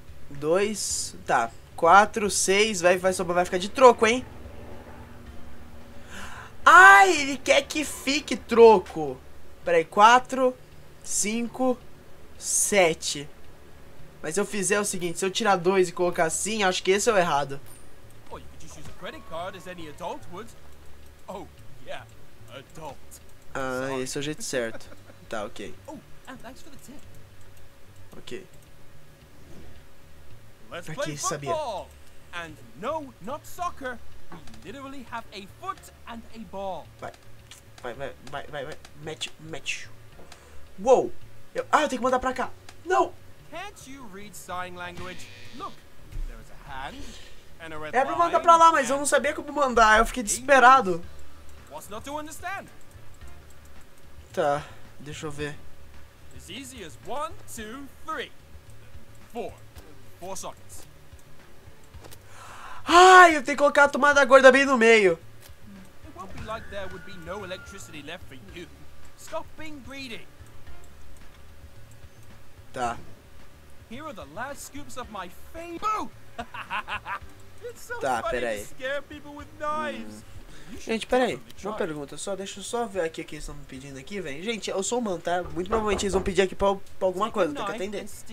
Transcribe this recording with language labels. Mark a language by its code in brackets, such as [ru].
[pt] 2, tá. 4, 6, vai sobrar, vai ficar de troco, hein? Ai, ele quer que fique troco. Peraí, 4, 5, 7. Mas se eu fizer o seguinte, se eu tirar 2 e colocar assim, acho que esse é o errado. [en] Oh, you could just use a credit card as any adult would. Oh, yeah, adult. [pt] Ah, sorry. Esse é o jeito certo. Tá, ok. [en] Oh, and thanks for the tip. [pt] Ok. [en] Let's play [pt] aqui, sabia. [en] Football. And no, not soccer. We literally have a foot and a ball. [pt] Vai. Vai. Match. Uou! Eu tenho que mandar pra cá! Não! [en] Can't you read sign language? Look, there is a hand and a red [pt] line. É pra mandar pra lá, mas eu não sabia como mandar, eu fiquei desesperado. [en] What's not to understand? [pt] Tá, deixa eu ver. [en] As easy as 1, 2, 3. 4. 4 sockets. [pt] Ai, eu tenho que colocar a tomada gorda bem no meio. [en] Like there would be no electricity left for you. Stop being greedy. [pt] Tá. [en] Here are the last scoops of my fame. Boo! It's so [pt] tá, [en] funny [pt] peraí. [en] To scare people with knives. [pt] Gente, peraí. Uma pergunta. Só, deixa eu só ver aqui o que eles estão me pedindo aqui, velho. Gente, eu sou humano, tá? Muito provavelmente eles vão pedir aqui pra alguma coisa. Tem que atender.